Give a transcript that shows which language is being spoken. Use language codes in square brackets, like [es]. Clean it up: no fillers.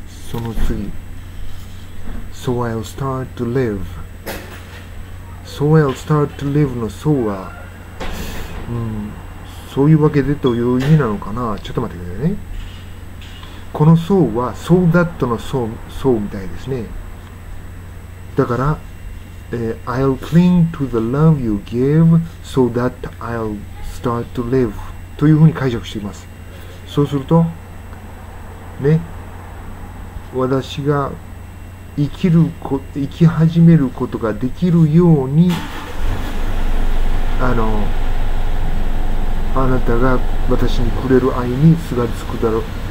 [en] その次、 So I'll start to live。 So I'll start to live [ja] の So は、そういうわけでという意味なのかな。ちょっと待ってくださいね。この So は So that の So みたいですね。 [en] だから、I'll cling to the love you gave so that I'll start to live [ja] というふうに解釈しています。そうするとね、私が生き始めることができるように、あなたが私にくれる愛にすがりつくだろう。